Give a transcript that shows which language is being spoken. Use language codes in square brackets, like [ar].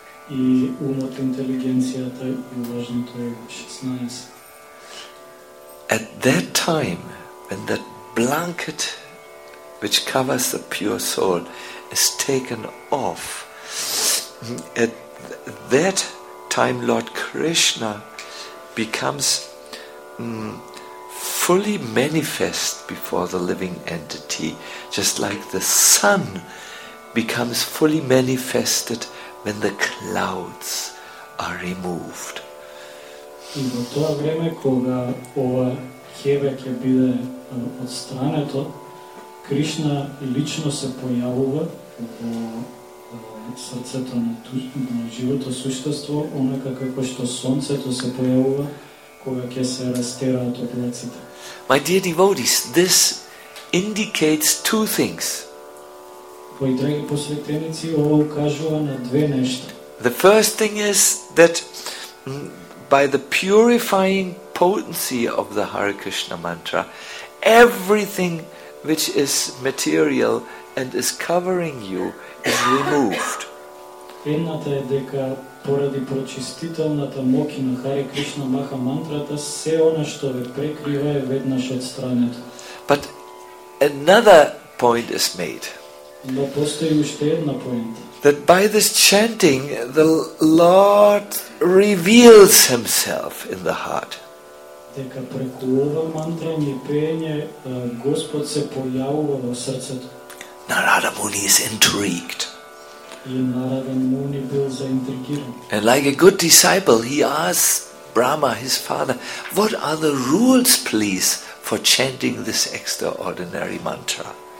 [mk] И умот, интелигенцијата и уважното е 16. [en] At that time, when that blanket which covers the pure soul is taken off, at that time Lord Krishna becomes fully manifest before the living entity, just like the sun becomes fully manifested when the clouds are removed. [mk] И во тоа време кога ова ќебе ќе биде отстрането, Кришна лично се појавува во срцето на живото существо, онака како што сонцето се појавува кога ќе се растераат облаците. [en] My dear devotees, this indicates two things. The first thing is that by the purifying potency of the Hare Krishna mantra, everything which is material and is covering you is removed. [mk] Едната е дека поради прочистителната моќ на Хари Кришна Маха мантрата се она што ве прекрива е веднаш отстрането. [en] But another point is made. [mk] Но постои уште една поента. [en] That by this chanting the Lord reveals himself in the heart. [mk] Дека преку ова мантра ни пеење Господ се појавува во срцето. [en] Narada Muni is intrigued. And like a good disciple, he asks Brahma, his father, what are the rules, please, for chanting this extraordinary mantra?